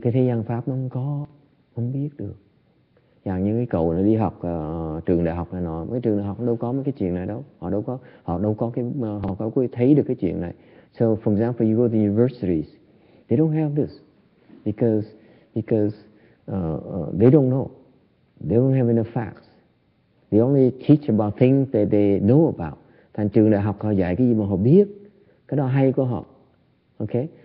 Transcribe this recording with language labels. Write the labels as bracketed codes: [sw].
[vi] Cái thế gian pháp nó không có, không biết được. Chẳng như cái cậu nó đi học trường đại học này nọ, mấy trường đại học đâu có mấy cái chuyện này đâu. Họ đâu có thấy được cái chuyện này. [en] So, for example, you go to universities, they don't have this because they don't know. They don't have enough facts. They only teach about things that they know about. [vi] Thành trường đại học họ dạy cái gì mà họ biết, cái đó hay của họ. Okay?